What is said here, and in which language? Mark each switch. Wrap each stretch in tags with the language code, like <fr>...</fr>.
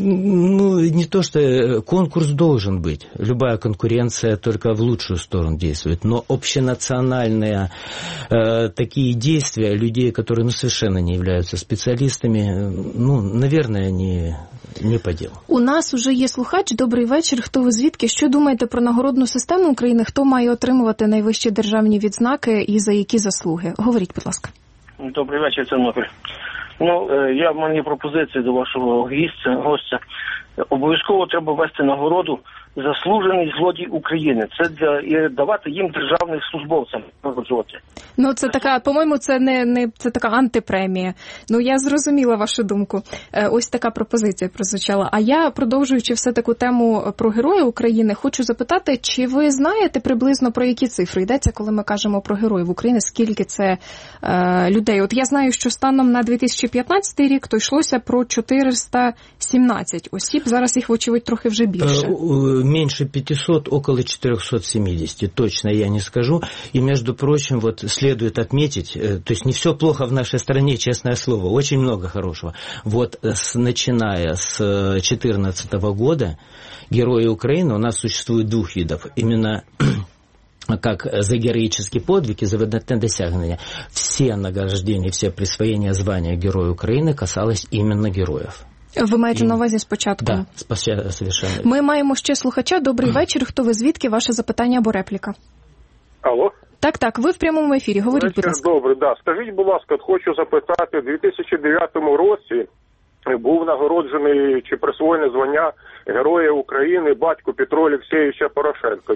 <ru>Ну, не то, что конкурс должен быть. Любая конкуренция только в лучшую сторону действует. Но общенациональные такие действия людей, которые совершенно не являются специалистами, наверное, не по делу.</ru> <uk>У нас уже є слухач. Добрий вечір. Хто ви звідки? Що думаєте про нагородну систему України? Хто має отримувати найвищі державні відзнаки і за які заслуги? Говоріть, будь ласка. Добрий вечір, Тернопіль. Я в мені пропозиції до вашого гостя. Обов'язково треба ввести нагороду «Заслужений злодій України». Це для давати їм державних службовцям. Це така, по-моєму, це така антипремія. Я зрозуміла вашу думку. Ось така пропозиція прозвучала. А я, продовжуючи все таку тему про Героя України, хочу запитати, чи ви знаєте приблизно про які цифри йдеться, коли ми кажемо про Героїв України, скільки це людей? Я знаю, що станом на 2015 рік то йшлося про 417 осіб. Зараз їх, вочевидь, трохи вже більше.</uk> <ru>Меньше 500, около 470, точно я не скажу. И, между прочим, вот следует отметить, то есть не все плохо в нашей стране, честное слово, очень много хорошего. Вот начиная с 2014 года, герои Украины, у нас существует двух видов, именно как за героические подвиги, за видатные достижения. Все награждения, все присвоения звания Героя Украины касалось именно героев.</ru> <uk>Ви маєте на увазі спочатку?</uk> <ru>Да, совершенно.</ru> <uk>Ми маємо ще слухача. Добрий вечір. Хто ви звідки? Ваше запитання або репліка. Алло? Так, ви в прямому ефірі. Говоріть, вечір, будь ласка. Добре, да. Скажіть, будь ласка, хочу запитати. У 2009 році був нагороджений чи присвоєне звання Героя України батько Петро Олексійовича Порошенка.</uk>